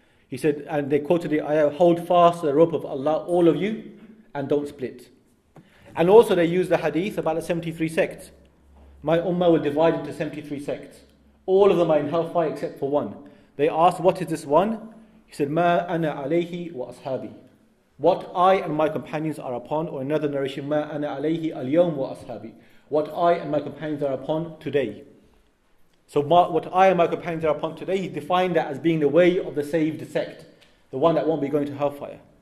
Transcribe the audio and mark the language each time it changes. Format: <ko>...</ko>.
<en>He said, and they quoted the ayah, hold fast the rope of Allah, all of you, and don't split. And also they used the hadith about the 73 sects. My ummah will divide into 73 sects. All of them are in hellfire except for one. They asked, what is this one? He said,</en> <ar>مَا أَنَا عَلَيْهِ وَأَصْحَابِي.</ar> <en>What I and my companions are upon, or another narration,</en> <ar>مَا أَنَا عَلَيْهِ الْيَوْمُ وَأَصْحَابِي.</ar> <en>What I and my companions are upon today. So what I and my companions are upon today, he defined that as being the way of the saved sect, the one that won't be going to hellfire.</en>